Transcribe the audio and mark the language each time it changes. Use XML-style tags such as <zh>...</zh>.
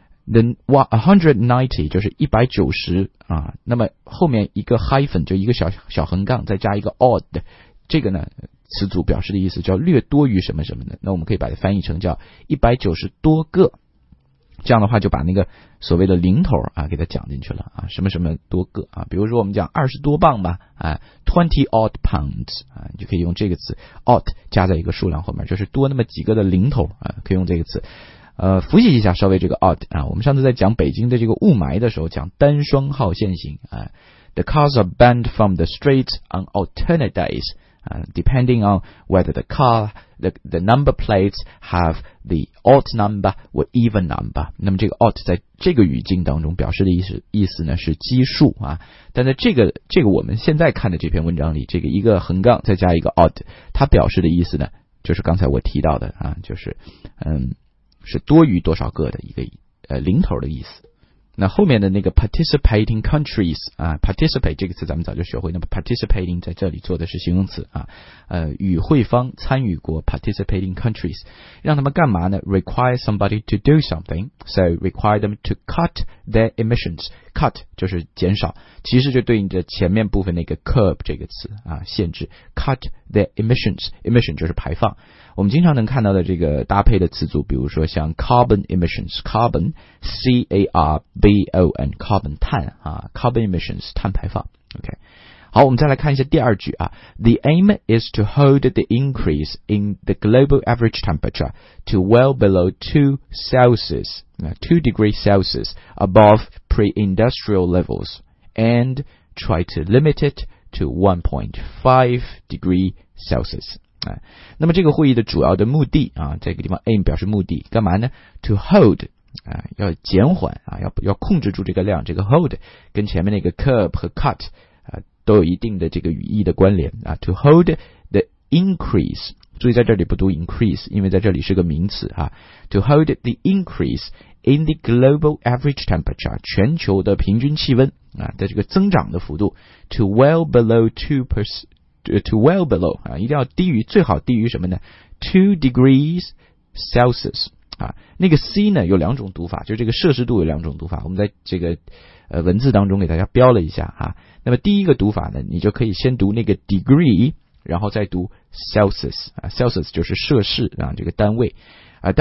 <zh>The 190就是190啊，那么后面一个 hyphen 就一个小横杠，再加一个 odd， 这个呢词组表示的意思叫略多于什么什么的，那我们可以把它翻译成叫190多个，这样的话就把那个所谓的零头啊给它讲进去了啊，什么什么多个啊，比如说我们讲20多磅吧啊 ,</zh> <en>20 odd pounds</en> <zh>啊，你就可以用这个词 odd 加在一个数量后面，就是多那么几个的零头啊，可以用这个词。复习一下稍微这个 odd 啊，我们上次在讲北京的这个雾霾的时候讲单双号限行啊，</zh> <en>The cars are banned from the streets on alternate days, depending on whether the car, the number plates have the odd number or even number.</en> <zh>那么这个 odd 在这个语境当中表示的意思呢是奇数啊，但在这个我们现在看的这篇文章里，这个一个横杠再加一个 odd, 它表示的意思呢就是刚才我提到的啊，就是是多于多少个的一个零头的意思。那后面的那个 participating countries 啊 ，participate 这个词咱们早就学会，那么 participating 在这里做的是形容词啊，与会方参与国 participating countries， 让他们干嘛呢 ？</zh> <en>Require somebody to do something， so require them to cut their emissions。</en> <zh>Cut 就是减少，其实就对应着前面部分那个 curb 这个词啊，限制。</zh> <en>Cut their emissions， emission</en> <zh>就是排放。我们经常能看到的这个搭配的词组，比如说像 carbon emissions， carbon c a r b o n， carbon 碳啊， carbon emissions 碳排放。 OK， 好，我们再来看一下第二句啊。</zh> <en>The aim is to hold the increase in the global average temperature to well below 2 Celsius， 2 degrees Celsius above pre-industrial levels and try to limit it to 1.5 degrees Celsius。</en> <zh>那么这个会议的主要的目的啊，这个地方 aim 表示目的，干嘛呢 ？</zh> <en>To hold</en> <zh>啊，要减缓啊，要控制住这个量。这个 hold 跟前面那个 curb 和 cut 啊，都有一定的这个语义的关联啊。</zh> <en>To hold the increase，</en> <zh>注意在这里不读 increase， 因为在这里是个名词啊。</zh> <en>To hold the increase in the global average temperature，</en> <zh>全球的平均气温啊的这个增长的幅度</zh> <en>，to well below 2%。 To well below</en> <zh>啊，一定要低于，最好低于什么呢 ？2 degrees Celsius 啊，那个 C 呢有两种读法，就是这个摄氏度有两种读法，我们在这个文字当中给大家标了一下啊。那么第一个读法呢，你就可以先读那个 degree， 然后再读 Celsius 啊 ，Celsius 就是摄氏啊这个单位啊。</zh>